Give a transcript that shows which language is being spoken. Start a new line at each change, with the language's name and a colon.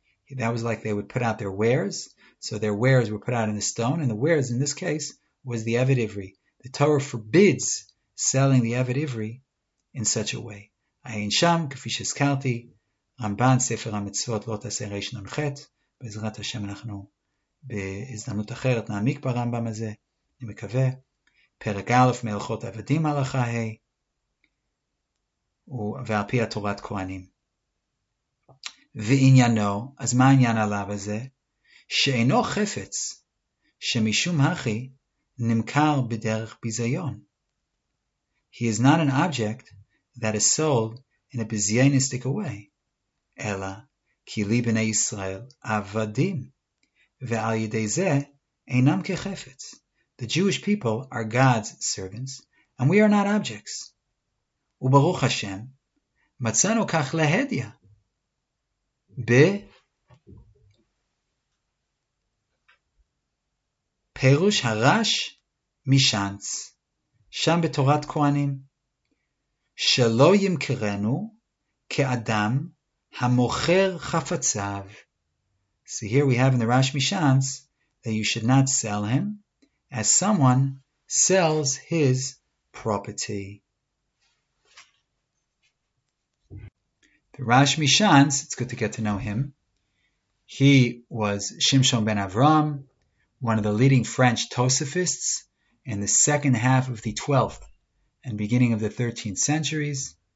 English: That was like they would put out their wares. So their wares were put out in the stone, and the wares in this case was the Eved Ivri. The Torah forbids selling the Eved Ivri in such a way.
Hebrew: Ayin Sham, Kafish Eskalti, Ramban Sefer HaMitzvot, Lo Taseh Reish Nun Chet, Bezrat Hashem Anachnu, בהזדמנות אחרת נעמיק ברמב״ם הזה, אני מקווה. פרק א' מהלכות עבדים הלכה ה' ועל פי התורת כהנים. ועניינו, אז מה העניין עליו הזה? שאינו חפץ שמשום הכי נמכר בדרך ביזיון.
English: He is not an object that is sold in a bizionistic way,
Hebrew: אלא כי לי בני ישראל עבדים. ועל ידי זה אינם כחפץ.
English: The Jewish people are God's servants, and we are not objects.
Hebrew: וברוך השם, מצאנו כך להדיה. בפירוש הרש משנץ, שם בתורת כהנים, שלא ימכרנו כאדם המוכר חפציו.
English: So here we have in the Rash Mishans that you should not sell him as someone sells his property. The Rash Mishans, it's good to get to know him. He was Shimshon ben Avram, one of the leading French Tosafists in the second half of the 12th and beginning of the 13th centuries.